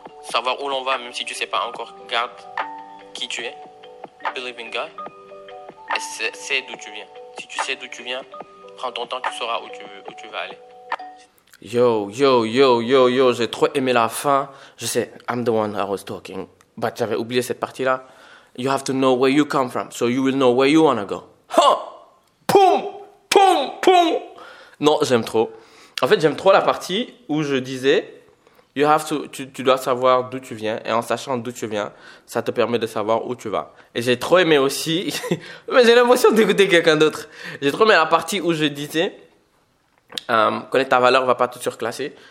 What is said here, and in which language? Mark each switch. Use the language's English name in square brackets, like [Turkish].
[French] Savoir où l'on va, même si tu sais pas encore, garde qui tu es. [English] Believe in God. [French] Et sais d'où tu viens. Si tu sais d'où tu viens, prends ton temps, tu sauras où tu veux aller. Yo, yo, yo, yo, yo, j'ai trop aimé la fin. Je sais, [English] I'm the one I was talking. But [French] j'avais oublié cette partie-là. [English] You have to know where you come from, so you will know where you wanna go. [French] Huh! Poum! Poum! Poum! Non, j'aime trop. En fait, j'aime trop la partie où je disais, tu dois savoir d'où tu viens, et en sachant d'où tu viens, ça te permet de savoir où tu vas. Et j'ai trop aimé aussi, mais j'ai l'impression d'écouter quelqu'un d'autre. J'ai trop aimé la partie où je disais, connais ta valeur, va pas te surclasser.